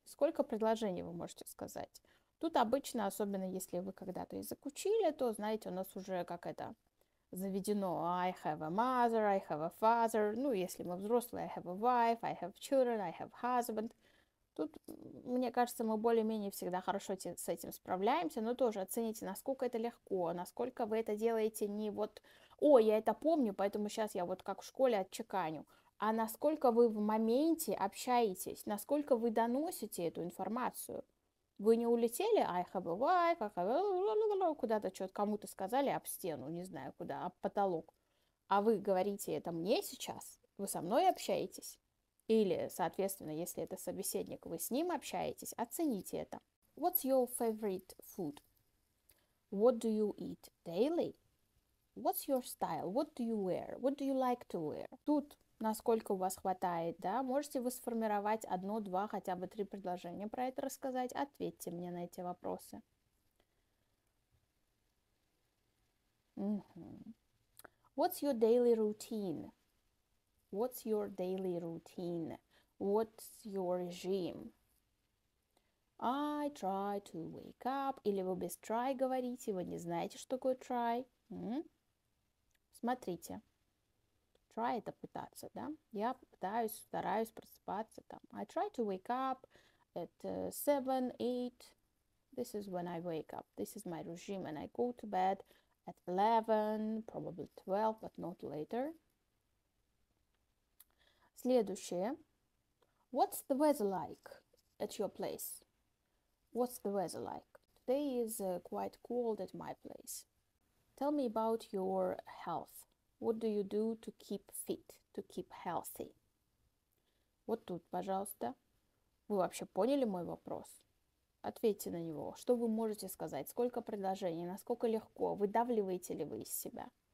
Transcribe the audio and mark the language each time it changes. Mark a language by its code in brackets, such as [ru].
[ru] Сколько предложений вы можете сказать? Тут обычно, особенно если вы когда-то язык учили, то знаете, у нас уже как это заведено. [en] I have a mother, I have a father. [ru] Ну, если мы взрослые, [en] I have a wife, I have children, I have husband. [ru] Тут, мне кажется, мы более-менее всегда хорошо с этим справляемся, но тоже оцените, насколько это легко, насколько вы это делаете не вот, о, я это помню, поэтому сейчас я вот как в школе отчеканю. А насколько вы в моменте общаетесь, насколько вы доносите эту информацию? Вы не улетели, [en] I have a wife, I have a... [ru] куда-то что-то кому-то сказали об стену, не знаю куда, об потолок. А вы говорите это мне сейчас? Вы со мной общаетесь? Или, соответственно, если это собеседник, вы с ним общаетесь? Оцените это. [en] What's your favorite food? What do you eat daily? What's your style? What do you wear? What do you like to wear? [ru] Тут насколько у вас хватает, да, можете вы сформировать одно, два, хотя бы три предложения про это рассказать, ответьте мне на эти вопросы. [en] What's your daily routine? What's your daily routine? What's your regime? I try to wake up. [ru] Или вы без try говорите, вы не знаете, что такое try. Смотрите. Try это пытаться, да? Я пытаюсь, стараюсь просыпаться там. [en] I try to wake up at 7-8. This is when I wake up. This is my regime and I go to bed at 11, probably 12, but not later. [ru] Следующее. [en] What's the weather like at your place? What's the weather like? Today is quite cold at my place. Tell me about your health. What do you do to keep fit, to keep healthy? [ru] Вот тут, пожалуйста. Вы вообще поняли мой вопрос? Ответьте на него. Что вы можете сказать? Сколько предложений? Насколько легко? Выдавливаете ли вы из себя?